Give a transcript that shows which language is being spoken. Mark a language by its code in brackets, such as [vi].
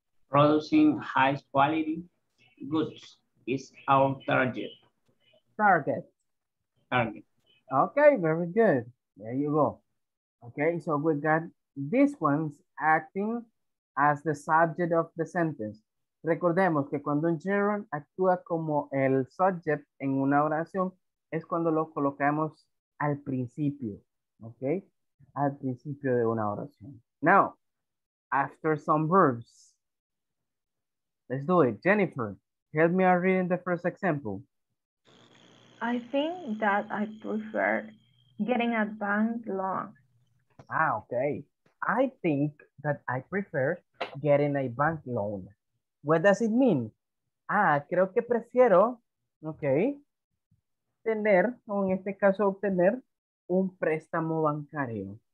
[en] Producing high quality goods is our target. Target. Target. Okay, very good. There you go. Okay, so we got this one's acting as the subject of the sentence. [es] Recordemos que cuando un gerund actúa como el subject en una oración, es cuando lo colocamos al principio, ¿ok? Al principio de una oración. [en] Now, after some verbs. Let's do it. Jennifer, help me out reading the first example. I think that I prefer getting a bank loan. Ah, okay. I think that I prefer getting a bank loan. What does it mean? [es] Ah, creo que prefiero, okay, tener, o en este caso obtener, un préstamo bancario.